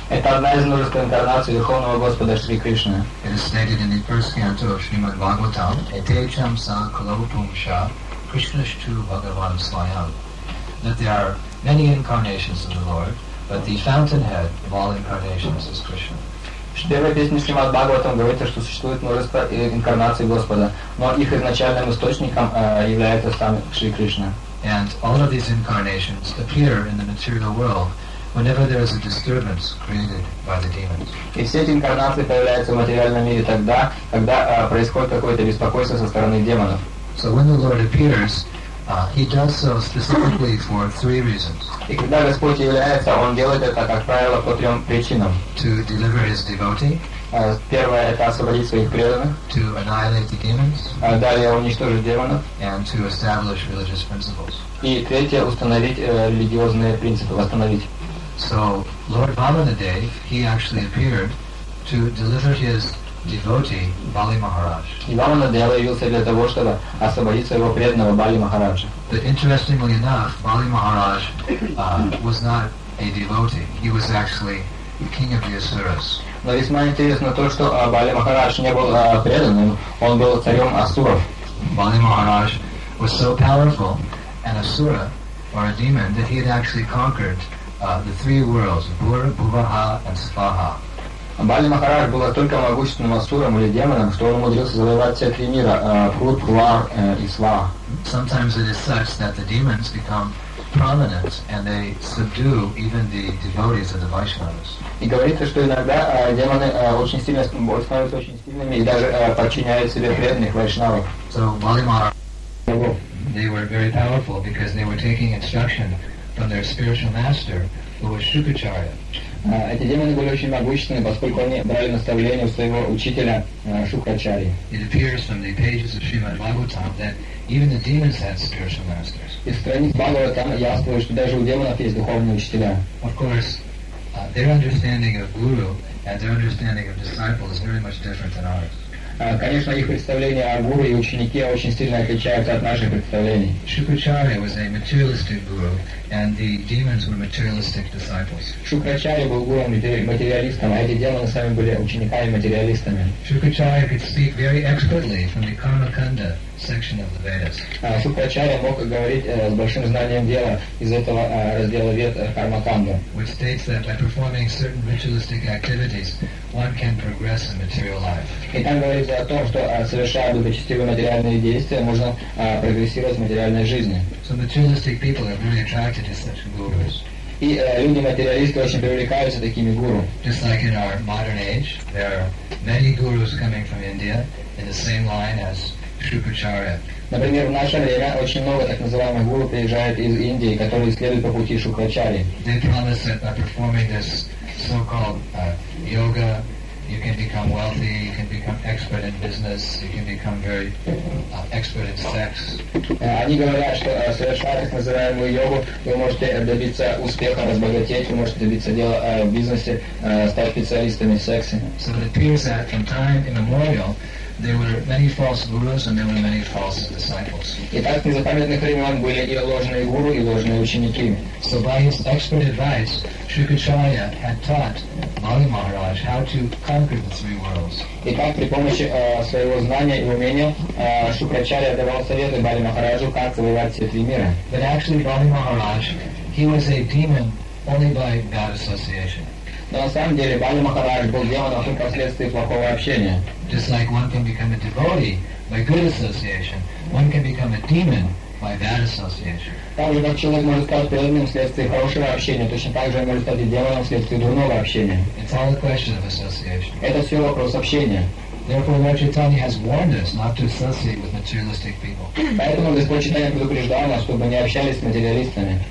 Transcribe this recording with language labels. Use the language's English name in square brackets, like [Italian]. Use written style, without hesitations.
[English] It is stated in the first canto of Srimad Bhagavatam, [Sanskrit] Etecham sa kalopumsha krishnashtu bhagavan svayam, [English] that there are many incarnations of the Lord, but the fountainhead of all incarnations is Krishna. [Russian] В первой песне Шримад Бхагаватам говорится, что существует множество инкарнаций Господа, но их изначальным источником является сам Шри Кришна. [English] And all of these incarnations appear in the material world whenever there is a disturbance created by the demons. [Russian] И все эти инкарнации появляются в материальном мире тогда, когда происходит какое-то беспокойство со стороны демонов. [English] So when the Lord appears, he does so specifically for three reasons. [Russian] И когда Господь является, Он делает это, как правило, по трем причинам. [English] To deliver His devotee. [Russian] Первое – это освободить своих преданных. [English] To annihilate the demons. [Russian] Далее – уничтожить демонов. [English] And to establish religious principles. [Russian] И третье – установить религиозные принципы, восстановить. [English] So, Lord Balanadev, he actually appeared to deliver his devotee, Bali Maharaj. [Russian] И Баланадева явился для того, чтобы освободить своего преданного Бали Махараджа. [English] But interestingly enough, Bali Maharaj was not a devotee. He was actually the king of the Asuras. [Russian] Но весьма интересно то, что Бали Махарадж не был преданным, он был царем Асуров. [English] Бали Махарадж was so powerful, an Asura, or a demon, that he had actually conquered the three worlds, Bhur, Bhuvaha, and Svaha. [Russian] Бали Махарадж был настолько могущественным Асуром или демоном, что он умудрился завоевать все три мира, Бхур, Бхувар и Сваха. [English] Sometimes it is such that the demons become prominent and they subdue even the devotees of the Vaishnavas. [Russian] И говорится, что иногда демоны очень сильно становятся очень сильными и даже подчиняют себе преданных вайшнавов. [English] So Bali Maharaj, they were very powerful because they were taking instruction from their spiritual master, who was Shukacharya. [Russian] Эти демоны были очень могущественны, поскольку они брали наставление у своего учителя Шукачари. [English] It appears from the pages of Srimad Bhagavatam that even the demons had spiritual masters. [Russian] Из страниц Бхагаватам ясно, что даже у демонов есть духовные учителя. [English] Of course, their understanding of guru and their understanding of disciple is very much different than ours. [Russian] Конечно, их представление о гуру и ученике очень сильно отличается от наших представлений. [English] Шукрачарья was a materialistic guru, and the demons were materialistic disciples. [Russian] Шукрачарья был гуру материалистом, а эти демоны сами были учениками материалистами. [English] Шукрачарья could speak very expertly from the Karma Kanda section of the Vedas. [Russian] Шукрачарья мог говорить с большим знанием дела из этого раздела Вед Карма Канда. [English] Which states that by performing certain ritualistic activities, one can progress in material life. [Russian] Говорится о том, что совершая благочестивые материальные действия, можно прогрессировать в материальной жизни. [English] So materialistic people are really attracted to such gurus. [Russian] И люди материалисты очень привлекаются такими гуру. [English] Just like in our modern age, there are many gurus coming from India in the same line as Shukracharya. [Russian] Например, в наше время очень много так называемых гуру приезжают из Индии, которые следуют по пути Шукрачари. [English] They promise that by performing this so-called yoga, you can become wealthy, you can become expert in business, you can become very expert in sex. [Russian] Они говорят, что совершая так называемую йогу, вы можете добиться успеха, разбогатеть, вы можете добиться дела в бизнесе, стать специалистами в сексе. [English] So it appears that from time immemorial, there were many false gurus and there were many false disciples. [Russian] Итак, с незапамятных времен были и ложные гуру, и ложные ученики. [English] So by his expert advice, Shukracharya had taught Bali Maharaj how to conquer the three worlds. [Russian] Итак, при помощи своего знания и умения Шукрачарья давал советы Бали Махараджу, как завоевать все три мира. [English] But actually, Bali Maharaj, he was a demon only by bad association. [Russian] Но на самом деле Бали Махарадж был демоном только вследствие плохого общения. [English] Just like one can become a devotee by good association, one can become a demon by bad association. [Russian] Так же, как человек может стать преданным вследствие хорошего общения, точно так же он может стать демоном вследствие дурного общения. [English] It's all a question of association. [Russian] Это все вопрос общения. [English] Therefore, Lord Chaitanya has warned us not to associate with materialistic people. [Russian] Поэтому Господь Читания предупреждал нас, чтобы не общались с материалистами.